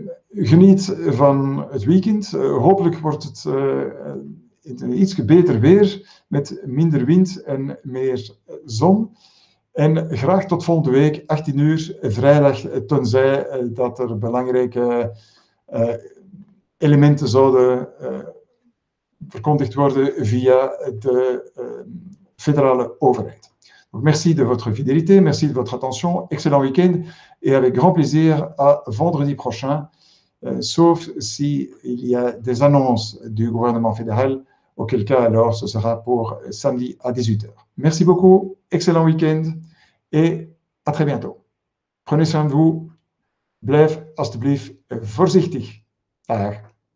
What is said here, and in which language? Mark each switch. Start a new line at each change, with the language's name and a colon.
Dutch: Geniet van het weekend. Hopelijk wordt het iets beter weer met minder wind en meer zon. En graag tot volgende week, 18 uur, vrijdag, tenzij dat er belangrijke elementen zouden verkondigd worden via de federale overheid.
French: Donc, merci de votre fidélité, merci de votre attention, excellent week-end et avec grand plaisir à vendredi prochain, sauf si il y a des annonces du gouvernement fédéral, auquel cas alors ce sera pour samedi à 18 h. Merci beaucoup, excellent week-end et à très bientôt. Prenez soin de vous,
Dutch: blijf alstublieft voorzichtig.
French: Bye.